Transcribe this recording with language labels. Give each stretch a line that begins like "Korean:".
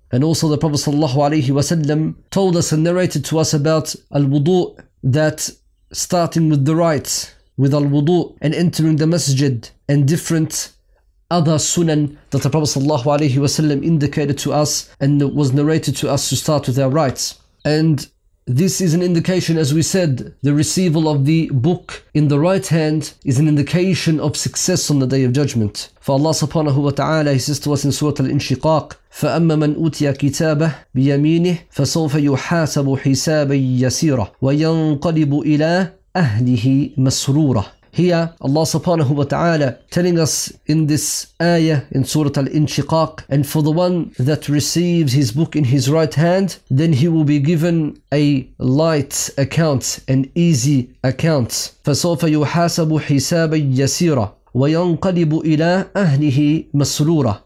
English: And also the Prophet sallallahu alayhi wa sallam told us and narrated to us about al-wudu, that starting with the right, with al-wudu, and entering the masjid, and different other sunan that the Prophet sallallahu alayhi wa sallam indicated to us and was narrated to us to start with our rights. And this is an indication, as we said, the receival of the book in the right hand is an indication of success on the Day of Judgment. For Allah subhanahu wa ta'ala, he says to us in Surah Al-Inshiqaq,
Arabic: فَأَمَّا مَنْ أُوتِيَ كِتَابَهُ بِيَمِينِهِ فَسَوْفَ يُحَاسَبُ حِسَابًا يَسِيرًا وَيَنْقَلِبُ إِلَىٰ أَهْلِهِ مَسْرُورًا.
English: Here, Allah subhanahu wa ta'ala telling us in this ayah in Surah Al-Inshiqaq, and for the one that receives his book in his right hand, then he will be given a light account, an easy account.
Arabic: فَسَوْفَ يُحَاسَبُ حِسَابًا يَسِيرًا وَيَنْقَلِبُ إِلَىٰ أَهْلِهِ مَسْرُورًا.